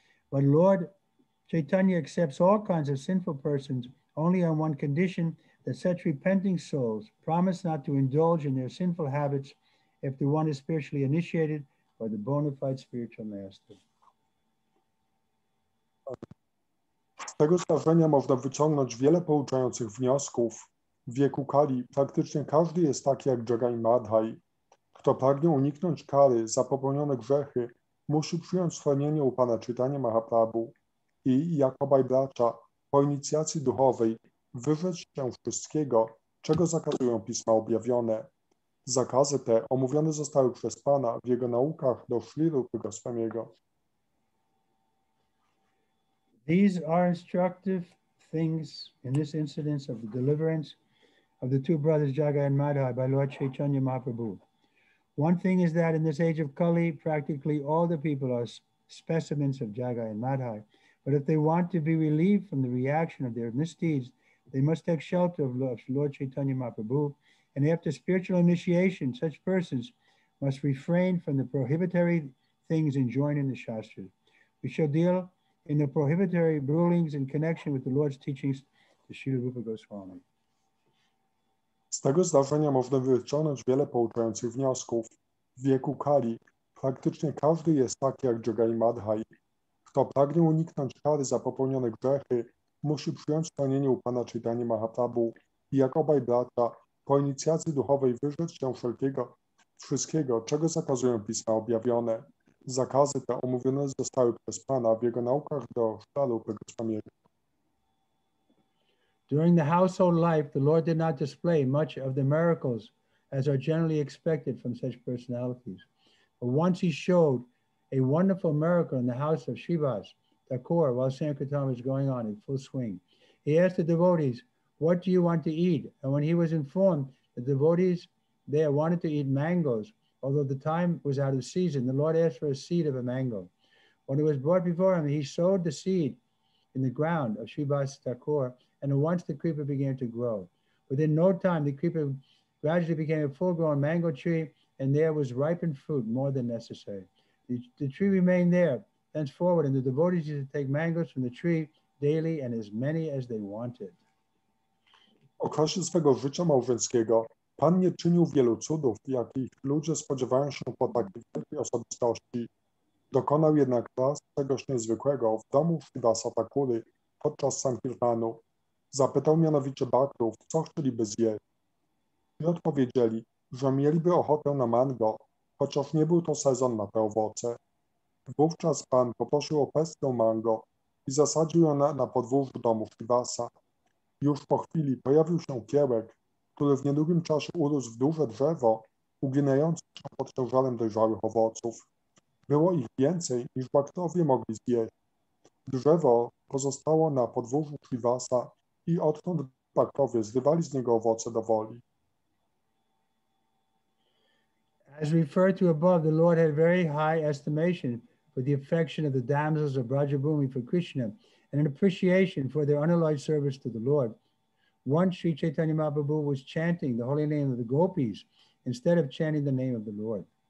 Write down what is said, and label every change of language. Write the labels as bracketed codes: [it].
[en] But Lord Chaitanya accepts all kinds of sinful persons only on one condition, that such repenting souls promise not to indulge in their sinful habits if the one is spiritually initiated by the bona fide spiritual master. [pl] Z tego zdarzenia można wyciągnąć wiele pouczających wniosków. W wieku Kali praktycznie każdy jest taki jak Jagaj Madhaj. Kto pragnie uniknąć kary za popełnione grzechy, musi przyjąć schronienie u pana Chaitanya Mahaprabhu i, jak obaj bracia, po inicjacji duchowej wyrzec się wszystkiego, czego zakazują pisma objawione. Zakazy te omówione zostały przez pana w jego naukach do Śli Rupy Goswamiego. [en] These are instructive things in this incident of the deliverance of the two brothers Jagaj and Madhaj by Lord Chaitanya Mahaprabhu. One thing is that in this age of Kali, practically all the people are specimens of Jagaj and Madhaj. But if they want to be relieved from the reaction of their misdeeds, they must take shelter of Lord Chaitanya Mahaprabhu. And after spiritual initiation, such persons must refrain from the prohibitory things enjoined in the Shastras. We shall deal in the prohibitory rulings in connection with the Lord's teachings to Srila Rupa Goswami. [pl] Z tego zdarzenia można wyciągnąć wiele pouczających wniosków. W wieku Kali praktycznie każdy jest taki jak Jagaj Madhaj. Kto pragnie uniknąć kary za popełnione grzechy, musi przyjąć schronienie u Pana Chaitanya Mahaprabhu i jak obaj bracia po inicjacji duchowej wyrzec się wszelkiego, wszystkiego, czego zakazują pisma objawione. Zakazy te omówione zostały przez Pana w jego naukach do szpitalu Pegasamiego. [en] During the household life, the Lord did not display much of the miracles as are generally expected from such personalities. But once he showed a wonderful miracle in the house of Shivas Thakur while Sankirtan was going on in full swing. He asked the devotees, "What do you want to eat?" And when he was informed that the devotees there wanted to eat mangoes, although the time was out of season, the Lord asked for a seed of a mango. When it was brought before him, he sowed the seed in the ground of Shivas Thakur, and at once the creeper began to grow. Within no time, the creeper gradually became a full-grown mango tree, and there was ripened fruit more than necessary. The tree remained there thenceforward, and the devotees used to take mangoes from the tree daily and as many as they wanted. [pl] W okresie swego życia małżeńskiego Pan nie czynił wielu cudów, jakich ludzie spodziewają się po takiej wielkiej osobistości. Dokonał jednak raz czegoś niezwykłego w domu Shivasa Thakury podczas Sankirtanu. Zapytał mianowicie bhaktów, co chcieliby zjeść. I odpowiedzieli, że mieliby ochotę na mango, chociaż nie był to sezon na te owoce. Wówczas Pan poprosił o pestkę mango i zasadził ją na podwórzu domu Shivasa. Już po chwili pojawił się kiełek, który w niedługim czasie urósł w duże drzewo, uginające się pod ciężarem dojrzałych owoców. Było ich więcej, niż bhaktowie mogli zjeść. Drzewo pozostało na podwórzu Shivasa i odtąd bhaktowie zrywali z niego owoce do woli. [en] As referred to above, the Lord had very high estimation for the affection of the damsels of Brajabhumi for Krishna and an appreciation for their unalloyed service to the Lord. Once Sri Chaitanya Mahaprabhu was chanting the holy name of the gopis instead of chanting the name of the Lord.